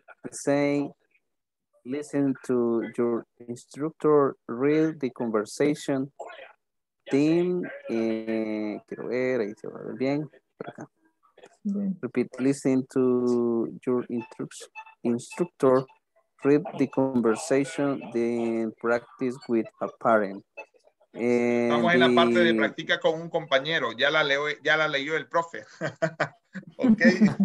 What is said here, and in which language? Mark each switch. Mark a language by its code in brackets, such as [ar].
[en] Saying, listen to your instructor, read the conversation. [es] Team, quiero ver, ahí se va a ver bien. [en] Repeat, listen to your instructor, read the conversation, then practice with a parent. [es] Vamos en la parte de practica con un compañero, ya la leyó el profe. Okay.